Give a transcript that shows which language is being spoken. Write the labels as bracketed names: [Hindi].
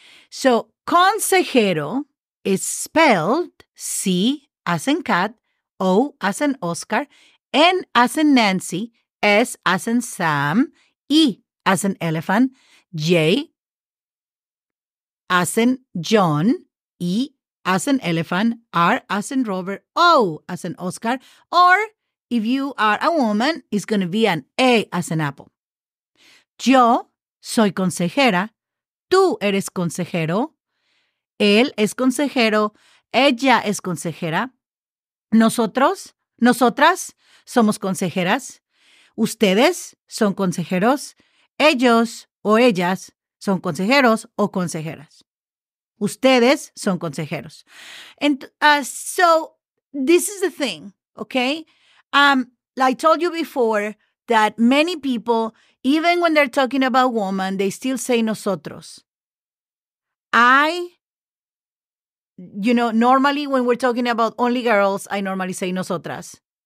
[English] So consejero is spelled C as in cat, O as in Oscar, N as in Nancy, S as in Sam, E as in elephant, J as in John, E as in elephant, R as in Robert, O as in Oscar, or if you are a woman, it's going to be an A as in apple. [Spanish] Yo soy consejera, tú eres consejero, él es consejero, ella es consejera, nosotras somos consejeras, ustedes son consejeros, ellos o ellas son consejeros o consejeras. Ustedes son consejeros. [English] So this is the thing, okay? I told you before that many people, even when they're talking about women, they still say nosotros. Normally when we're talking about only girls, I normally say nosotras.